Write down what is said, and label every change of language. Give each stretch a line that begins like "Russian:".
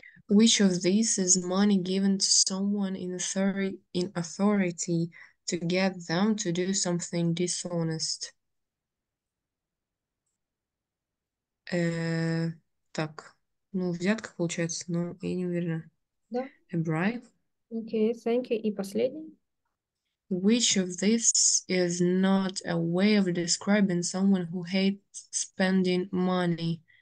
English: Which of these is money given to someone in authority to get them to do something dishonest?
Russian: Так, ну, взятка получается, но я не уверена.
English: A bribe? Okay, thank you.
Russian: И последний.
English: Which of this is not a way of describing someone who hates spending money?